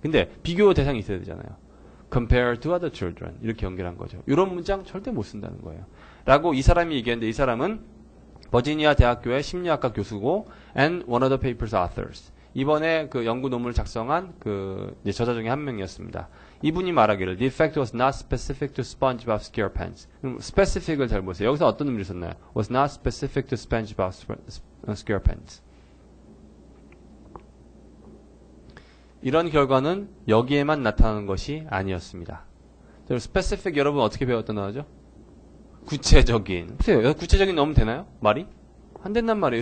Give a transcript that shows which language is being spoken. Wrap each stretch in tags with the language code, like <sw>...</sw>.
<ko>근데 비교 대상이 있어야 되잖아요.</ko> <en>compare to other children. 이렇게 연결한 거죠.</en> <ko>이런 문장 절대 못 쓴다는 거예요. 라고 이 사람이 얘기했는데 이 사람은 버지니아 대학교의 심리학과 교수고</ko> <en>and one of the paper's authors.</en> <ko>이번에 그 연구 논문을 작성한 그 이제 저자 중에 한 명이었습니다. 이분이 말하기를</ko> <en>The effect was not specific to SpongeBob SquarePants.</en> <ko>Specific을 잘 보세요. 여기서 어떤 의미를 썼나요?</ko> <en>Was not specific to SpongeBob SquarePants.</en> <ko>이런 결과는 여기에만 나타나는 것이 아니었습니다. Specific 여러분 어떻게 배웠던 단어죠? 구체적인. 보세요. 구체적인 넣으면 되나요? 말이? 안 된단 말이에요.</ko>